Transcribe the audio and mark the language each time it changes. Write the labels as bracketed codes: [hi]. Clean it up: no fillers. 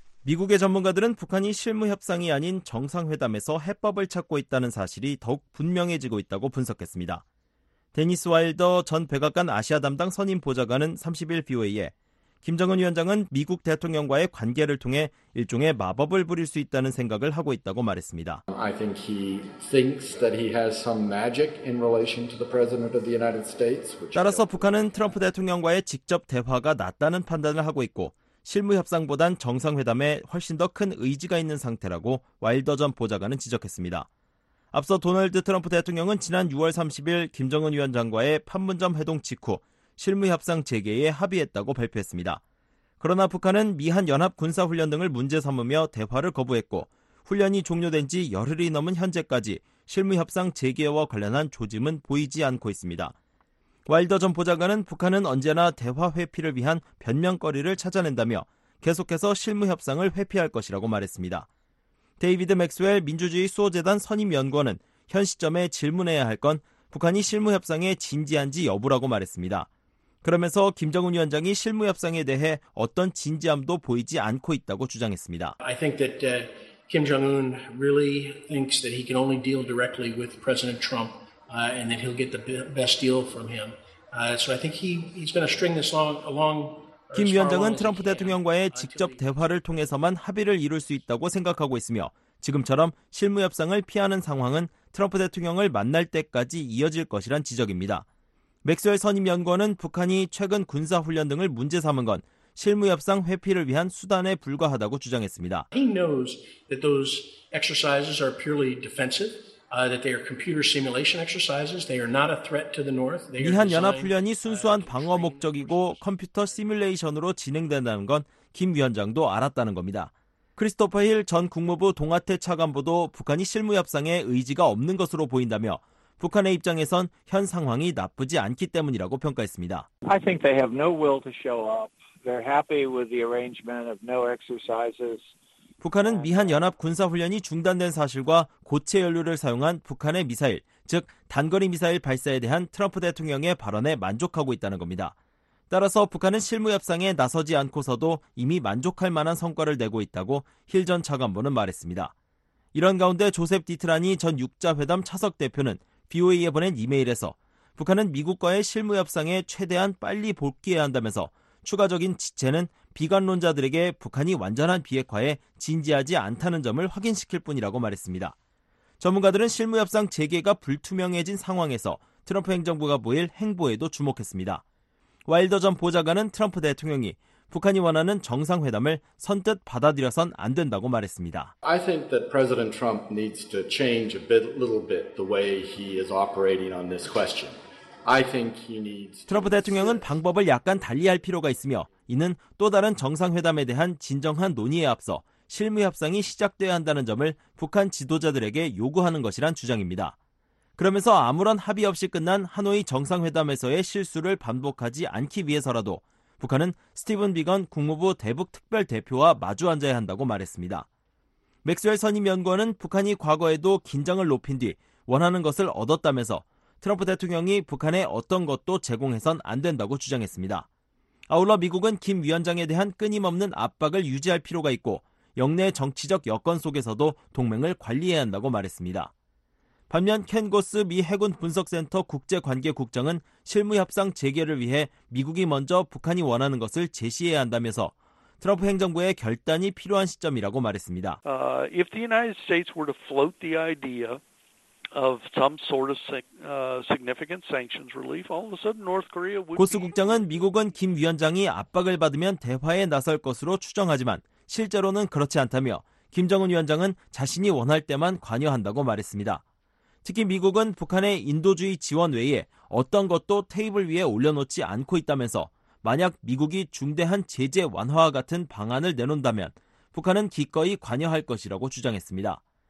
[ko] 미국의 전문가들은 북한이 실무 협상이 아닌 정상회담에서 해법을 찾고 있다는 사실이 더욱 분명해지고 있다고 분석했습니다. 데니스 와일더 전 백악관 아시아 담당 선임 보좌관은 30일 BOA에 김정은 위원장은 미국 대통령과의 관계를 통해 일종의 마법을 부릴 수 있다는 생각을 하고 있다고 말했습니다. [en] I think he thinks that he has some magic in relation to the president of the United States. [ko] 따라서 북한은 트럼프 대통령과의 직접 대화가 낫다는 판단을 하고 있고 실무 협상보단 정상회담에 훨씬 더 큰 의지가 있는 상태라고 와일더 전 보좌관은 지적했습니다. 앞서 도널드 트럼프 대통령은 지난 6월 30일 김정은 위원장과의 판문점 회동 직후 실무 협상 재개에 합의했다고 발표했습니다. 그러나 북한은 미한 연합 군사 훈련 등을 문제 삼으며 대화를 거부했고 훈련이 종료된 지 열흘이 넘은 현재까지 실무 협상 재개와 관련한 조짐은 보이지 않고 있습니다. 와일더 전 보좌관은 북한은 언제나 대화 회피를 위한 변명거리를 찾아낸다며 계속해서 실무 협상을 회피할 것이라고 말했습니다. 데이비드 맥스웰 민주주의 수호재단 선임 연구원은 현 시점에 질문해야 할 건 북한이 실무 협상에 진지한지 여부라고 말했습니다. 그러면서 김정은 위원장이 실무 협상에 대해 어떤 진지함도 보이지 않고 있다고 주장했습니다. [en] I think that Kim Jong-un really thinks that he can only deal directly with President Trump and that he'll get the best deal from him. So I think he's going to string this along. [ko] 김 위원장은 트럼프 대통령과의 직접 대화를 통해서만 합의를 이룰 수 있다고 생각하고 있으며 지금처럼 실무 협상을 피하는 상황은 트럼프 대통령을 만날 때까지 이어질 것이란 지적입니다. 맥스웰 선임 연구원은 북한이 최근 군사훈련 등을 문제 삼은 건 실무 협상 회피를 위한 수단에 불과하다고 주장했습니다. [en] He knows that those exercises are purely defensive, that they are computer simulation exercises. They are not a threat to the North. [ko] 미한 연합훈련이 순수한 방어 목적이고 컴퓨터 시뮬레이션으로 진행된다는 건 김 위원장도 알았다는 겁니다. 크리스토퍼 힐 전 국무부 동아태 차관보도 북한이 실무 협상에 의지가 없는 것으로 보인다며 북한의 입장에선 현 상황이 나쁘지 않기 때문이라고 평가했습니다. [en] I think they have no will to show up. They're happy with the arrangement of no exercises. [ko] 북한은 미한 연합 군사 훈련이 중단된 사실과 고체 연료를 사용한 북한의 미사일, 즉 단거리 미사일 발사에 대한 트럼프 대통령의 발언에 만족하고 있다는 겁니다. 따라서 북한은 실무 협상에 나서지 않고서도 이미 만족할 만한 성과를 내고 있다고 힐 전 차관보는 말했습니다. 이런 가운데 조셉 디트라니 전 6자회담 차석 대표는 BOA에 보낸 이메일에서 북한은 미국과의 실무 협상에 최대한 빨리 복귀해야 한다면서 추가적인 지체는 비관론자들에게 북한이 완전한 비핵화에 진지하지 않다는 점을 확인시킬 뿐이라고 말했습니다. 전문가들은 실무 협상 재개가 불투명해진 상황에서 트럼프 행정부가 보일 행보에도 주목했습니다. 와일더 전 보좌관은 트럼프 대통령이 북한이 원하는 정상회담을 선뜻 받아들여선 안 된다고 말했습니다. [en] I think that President Trump needs to change a bit, little bit the way he is operating on this question. I think he needs. [ko] 트럼프 대통령은 방법을 약간 달리할 필요가 있으며 이는 또 다른 정상회담에 대한 진정한 논의에 앞서 실무 협상이 시작돼야 한다는 점을 북한 지도자들에게 요구하는 것이란 주장입니다. 그러면서 아무런 합의 없이 끝난 하노이 정상회담에서의 실수를 반복하지 않기 위해서라도 북한은 스티븐 비건 국무부 대북특별대표와 마주앉아야 한다고 말했습니다. 맥스웰 선임 연구원은 북한이 과거에도 긴장을 높인 뒤 원하는 것을 얻었다면서 트럼프 대통령이 북한에 어떤 것도 제공해선 안 된다고 주장했습니다. 아울러 미국은 김 위원장에 대한 끊임없는 압박을 유지할 필요가 있고 역내 정치적 여건 속에서도 동맹을 관리해야 한다고 말했습니다. 반면 켄 고스 미 해군 분석센터 국제관계국장은 실무협상 재개를 위해 미국이 먼저 북한이 원하는 것을 제시해야 한다면서 트럼프 행정부의 결단이 필요한 시점이라고 말했습니다. [en] If the United States were to float the idea of some sort of significant sanctions relief, all of a sudden North Korea would. [ko] 고스 국장은 미국은 김 위원장이 압박을 받으면 대화에 나설 것으로 추정하지만 실제로는 그렇지 않다며 김정은 위원장은 자신이 원할 때만 관여한다고 말했습니다. 특히 미국은 북한의 인도주의 지원 외에 어떤 것도 테이블 위에 올려놓지 않고 있다면서 만약 미국이 중대한 제재 완화와 같은 방안을 내놓는다면 북한은 기꺼이 관여할 것이라고 주장했습니다.